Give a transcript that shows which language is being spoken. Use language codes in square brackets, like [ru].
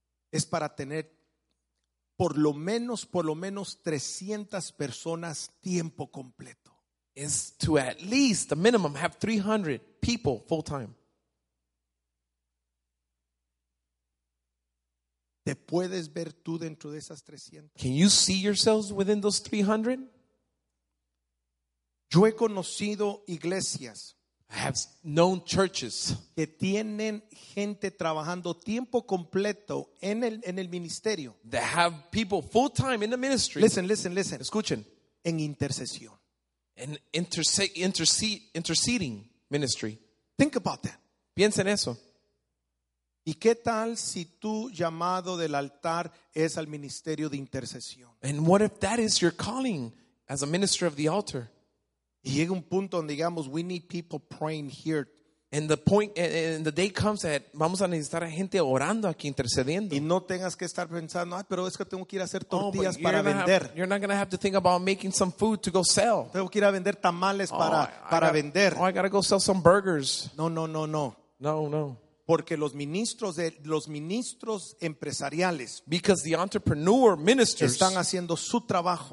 [es] es para tener por lo menos 300 personas tiempo completo. [en] Is to at least the minimum have 300 people full time. [es] ¿Te puedes ver tú dentro de esas 300? [en] Can you see yourselves within those 300? [es] Yo he conocido iglesias. [en] I have known churches. [es] Que tienen gente trabajando tiempo completo en el ministerio. [en] They have people full time in the ministry. Listen. [es] Escuchen. En intercesión. [en] Interceding ministry. Think about that. [es] Piensen eso. ¿Y qué tal si tu llamado del altar es al ministerio de intercesión? [en] And what if that is your calling as a minister of the altar? [es] Y llega un punto donde digamos, [en] we need people praying here. And the point, and the day comes that [es] vamos a necesitar a gente orando aquí, intercediendo. Y no tengas que estar pensando, ah, pero es que tengo que ir a hacer tortillas para vender. [en] You're not going to have to think about making some food to go sell. [es] Tengo que ir a vender tamales para vender. [en] Oh, I got to go sell some burgers. [es] No. Porque los ministros empresariales, [en] because the entrepreneur ministers, [es] están haciendo su trabajo.